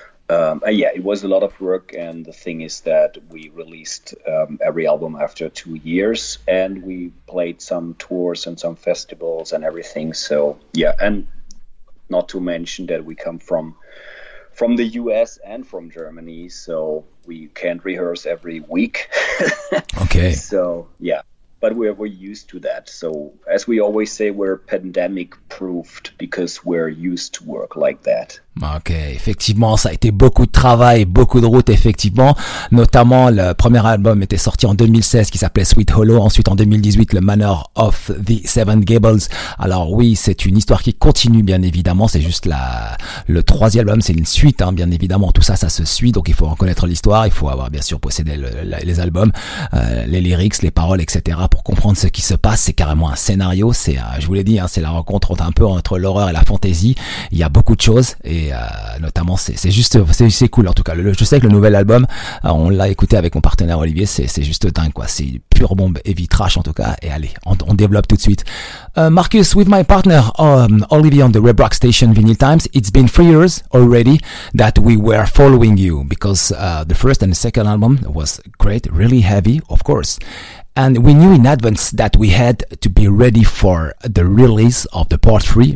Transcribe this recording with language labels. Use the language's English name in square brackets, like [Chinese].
[English] Yeah, it was a lot of work, and the thing is that we released every album after 2 years, and we played some tours and some festivals and everything, so yeah, and not to mention that we come from the US and from Germany, so we can't rehearse every week. Okay. So, yeah. But we're used to that. So as we always say, we're pandemic proofed because we're used to work like that. [French] Ok, effectivement, ça a été beaucoup de travail, beaucoup de route, effectivement. Notamment, le premier album était sorti en 2016 qui s'appelait Sweet Hollow. Ensuite, en 2018, le Manor of the Seven Gables. Alors oui, c'est une histoire qui continue, bien évidemment. C'est juste le troisième album, c'est une suite, hein, bien évidemment. Tout ça, ça se suit, donc il faut reconnaître l'histoire. Il faut avoir, bien sûr, possédé les albums, les lyrics, les paroles, etc. pour comprendre ce qui se passe. C'est carrément un scénario. C'est, je vous l'ai dit, hein, c'est la rencontre un peu entre l'horreur et la fantasy. Il y a beaucoup de choses. Et notamment, c'est cool en tout cas. Je sais que le nouvel album, on l'a écouté avec mon partenaire Olivier, c'est juste dingue quoi. C'est pure bombe heavy trash en tout cas. Et allez, on développe tout de suite. [English] Marcus, with my partner Olivier on the Web Rock Station Vinyl Times, it's been 3 years already that we were following you because the first and the second album was great, really heavy, of course. And we knew in advance that we had to be ready for the release of the part 3.